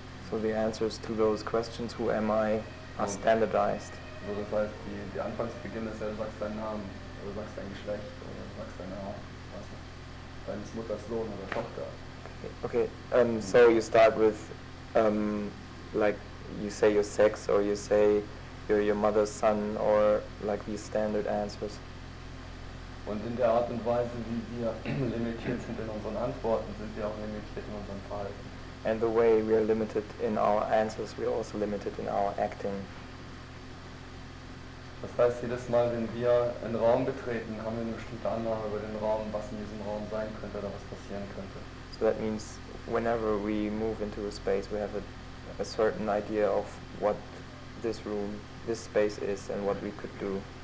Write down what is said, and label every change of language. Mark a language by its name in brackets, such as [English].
[English] So the answers to those questions, who am I, are standardized. [German] So das heißt, die Anfangsbeginn ist ja, du sagst deinen Namen, oder du sagst dein Geschlecht, oder du sagst deine Art, was deines Mutters Sohn oder Tochter. [English] Okay, so you start with, like, you say your sex, or you say you're your mother's son, or like these standard answers. [German] Und in der Art und Weise, wie wir limitiert sind in unseren Antworten, sind wir auch limitiert in unserem Verhalten. [English] And the way we are limited in our answers, we are also limited in our acting. [German] Das heißt, jedes Mal, wenn wir einen Raum betreten, haben wir eine bestimmte Annahme über den Raum, was in diesem Raum sein könnte oder was passieren könnte. [English] So that means, whenever we move into a space, we have a certain idea of what this room, this space is and what we could do.